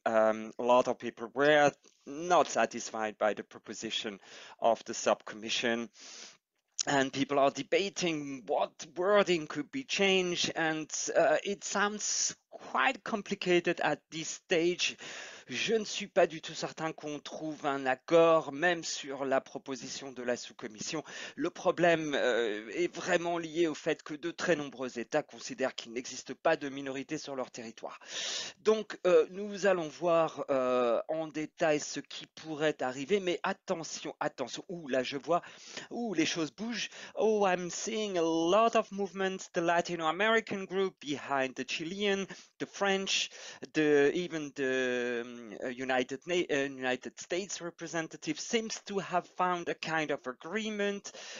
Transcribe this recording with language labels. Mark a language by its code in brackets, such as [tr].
[en] A lot of people were not satisfied by the proposition of the subcommission. And people are debating what wording could be changed. And it sounds quite complicated at this stage. [fr] Je ne suis pas du tout certain qu'on trouve un accord, même sur la proposition de la sous-commission. Le problème est vraiment lié au fait que de très nombreux États considèrent qu'il n'existe pas de minorité sur leur territoire. Donc, nous allons voir en détail ce qui pourrait arriver, mais attention, attention. Ouh, là, je vois. Ouh, les choses bougent. [en] Oh, I'm seeing a lot of movements. The Latin American group behind the Chilean, the French, the even the United States representative seems to have found a kind of agreement.